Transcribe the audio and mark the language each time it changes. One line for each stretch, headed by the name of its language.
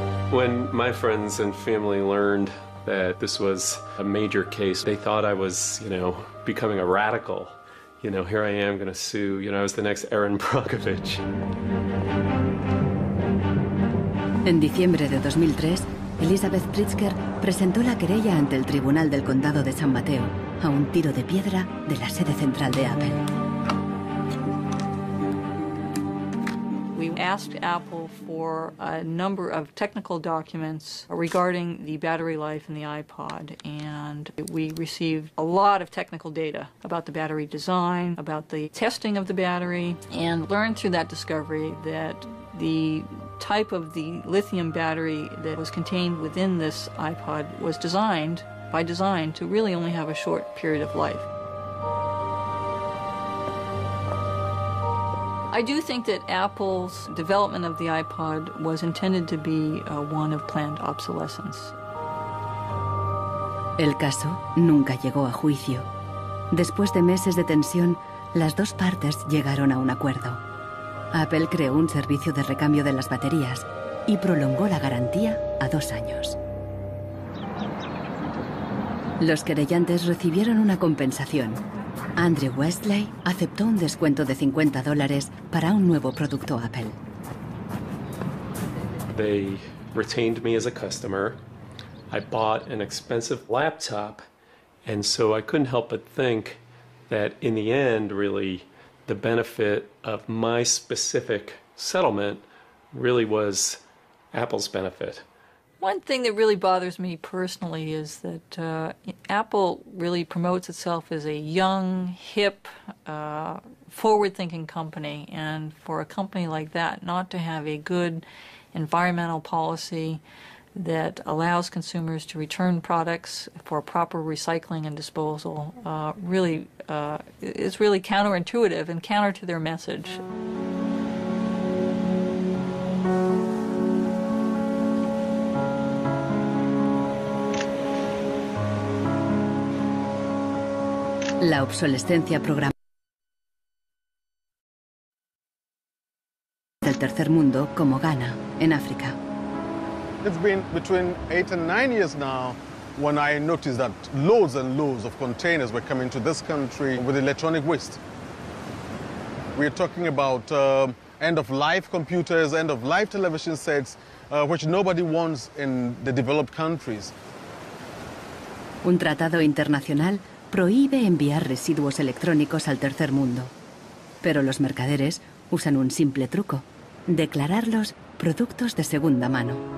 English: When my friends and family learned that this was a major case, they thought I was, you know, becoming a radical. You know, here I am gonna sue, you know, I was the next Aaron Brockovich.
Spanish: En diciembre de 2003, Elizabeth Pritzker presentó la querella ante el Tribunal del Condado de San Mateo, a un tiro de piedra de la sede central de Apple.
English: We asked Apple for a number of technical documents regarding the battery life in the iPod, and we received a lot of technical data about the battery design, about the testing of the battery, and learned through that discovery that the type of the lithium battery that was contained within this iPod was designed by design to really only have a short period of life. I do think that Apple's development of the iPod was intended to be one of planned obsolescence.
Spanish: El caso nunca llegó a juicio. Después de meses de tensión, las dos partes llegaron a un acuerdo. Apple creó un servicio de recambio de las baterías y prolongó la garantía a 2 años. Los querellantes recibieron una compensación. Andrew Westley aceptó un descuento de $50 para un nuevo producto Apple.
English: They retained me as a customer. I bought an expensive laptop, and so I couldn't help but think that in the end, really, the benefit of my specific settlement really was Apple's benefit. One thing that really bothers me personally is that Apple really promotes itself as a young, hip, forward-thinking company. And for a company like that not to have a good environmental policy that allows consumers to return products for proper recycling and disposal, it's really counterintuitive and counter to their message.
Spanish: La obsolescencia programada del tercer mundo como Ghana.
English: in Africa. It's been between 8 and 9 years now when I noticed that loads and loads of containers were coming to this country with electronic waste. We're talking about end-of-life computers, end-of-life television sets, which nobody wants in the developed countries.
Spanish: Un tratado internacional prohíbe enviar residuos electrónicos al tercer mundo. Pero los mercaderes usan un simple truco: declararlos productos de segunda mano.